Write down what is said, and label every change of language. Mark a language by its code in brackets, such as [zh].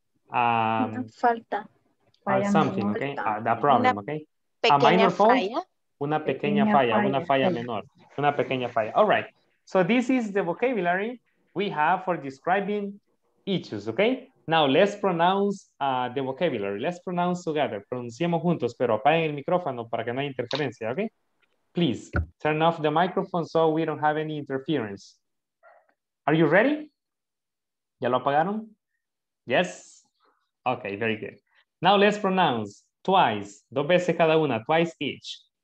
[es] Falta. [en] Or something, okay? The problem, okay? A minor fault. [es] Una pequeña falla. Una falla menor. Una pequeña falla. [en] All right. So this is the vocabulary we have for describing issues, okay? Now let's pronounce the vocabulary. Let's pronounce together. [es] Pronunciemos juntos, pero apaguen el micrófono para que no haya interferencia, okay? [en] Please turn off the microphone so we don't have any interference. Are you ready? [es] ¿Ya lo apagaron? [en] Yes? Okay, very good. Now let's pronounce twice. [es] Dos veces cada una, [en] twice each.